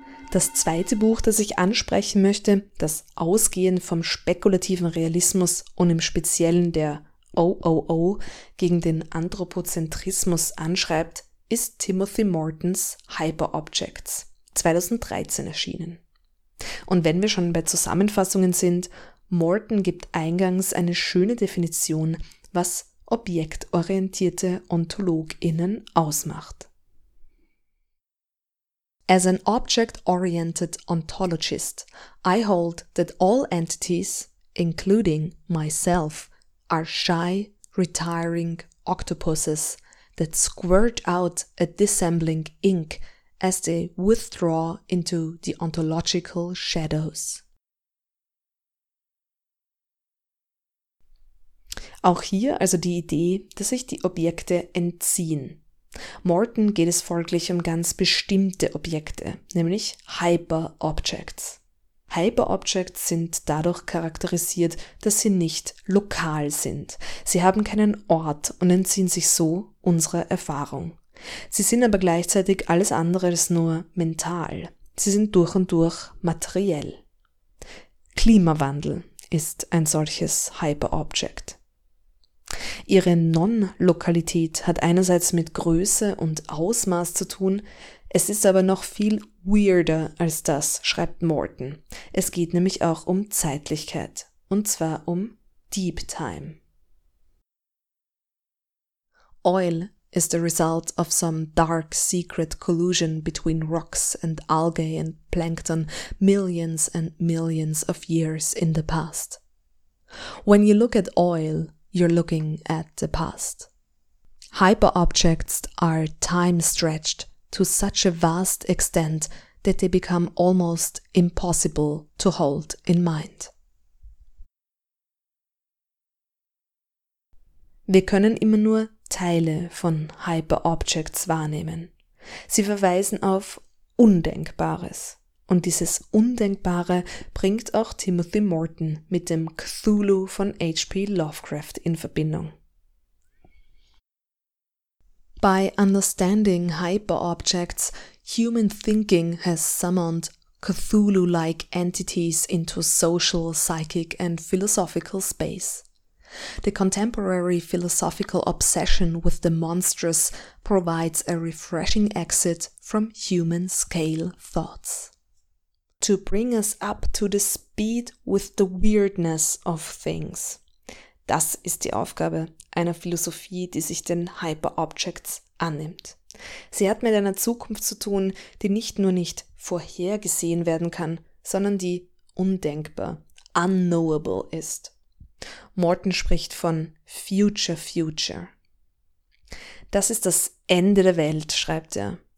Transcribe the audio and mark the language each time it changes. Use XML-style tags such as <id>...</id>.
<de>Das zweite Buch, das ich ansprechen möchte, das ausgehend vom spekulativen Realismus und im Speziellen der OOO gegen den Anthropozentrismus anschreibt, ist Timothy Mortons Hyperobjects, 2013 erschienen. Und wenn wir schon bei Zusammenfassungen sind, Morton gibt eingangs eine schöne Definition, was objektorientierte OntologInnen ausmacht.</de> <en>As an object-oriented ontologist, I hold that all entities, including myself, are shy, retiring octopuses that squirt out a dissembling ink as they withdraw into the ontological shadows.</en> <de>Auch hier also die Idee, dass sich die Objekte entziehen. Morton geht es folglich um ganz bestimmte Objekte, nämlich Hyperobjects. Hyperobjects sind dadurch charakterisiert, dass sie nicht lokal sind. Sie haben keinen Ort und entziehen sich so unserer Erfahrung. Sie sind aber gleichzeitig alles andere als nur mental. Sie sind durch und durch materiell. Klimawandel ist ein solches Hyperobject. Ihre Non-Lokalität hat einerseits mit Größe und Ausmaß zu tun, es ist aber noch viel weirder als das, schreibt Morton. Es geht nämlich auch um Zeitlichkeit, und zwar um Deep Time.</de> <en>Oil is the result of some dark secret collusion between rocks and algae and plankton millions and millions of years in the past. When you look at oil, you're looking at the past. Hyperobjects are time-stretched to such a vast extent that they become almost impossible to hold in mind.</en> <de>Wir können immer nur Teile von Hyperobjects wahrnehmen. Sie verweisen auf Undenkbares Und dieses Undenkbare bringt auch Timothy Morton mit dem Cthulhu von H.P. Lovecraft in Verbindung.</de> <en>By understanding hyperobjects, human thinking has summoned Cthulhu-like entities into social, psychic and philosophical space. The contemporary philosophical obsession with the monstrous provides a refreshing exit from human-scale thoughts. To bring us up to the speed with the weirdness of things.</en> <de>Das ist die Aufgabe einer Philosophie, die sich den Hyperobjects annimmt. Sie hat mit einer Zukunft zu tun, die nicht nur nicht vorhergesehen werden kann, sondern die undenkbar, unknowable ist. Morton spricht von Future Future. Das ist das Ende der Welt, schreibt er.</de>